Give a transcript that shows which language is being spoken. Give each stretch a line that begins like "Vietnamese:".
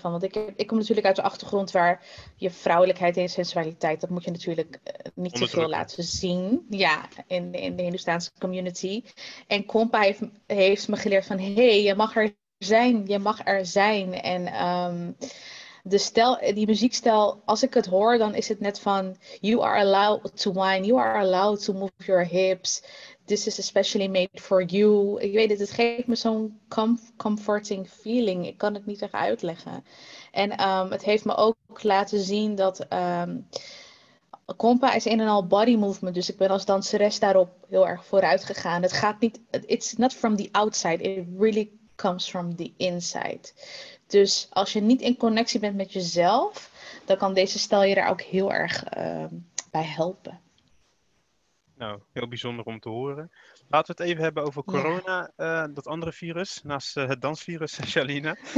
Dutch: Want ik kom natuurlijk uit de achtergrond waar je vrouwelijkheid en sensualiteit, dat moet je natuurlijk niet te veel laten zien. Ja, in de Hindoestaanse community. En compa heeft me geleerd van, hé, je mag er zijn. En De stijl, die muziekstijl, als ik het hoor, dan is het net van...
English: You are allowed to whine, you are allowed to move your hips. This is especially made for you.
Dutch: Ik weet het, het geeft me zo'n
English: comforting feeling.
Dutch: Ik kan het niet echt uitleggen. En het heeft me ook laten zien dat... Compa is een en al body movement, dus ik ben als danseres daarop heel erg vooruit gegaan. Het gaat niet,
English: it's not from the outside, it really comes from the inside.
Dutch: Dus als je niet in connectie bent met jezelf, dan kan deze stijl je daar ook heel erg bij helpen. Nou, heel bijzonder om te horen. Laten we het even hebben over corona, dat andere virus, naast het dansvirus, Shalina.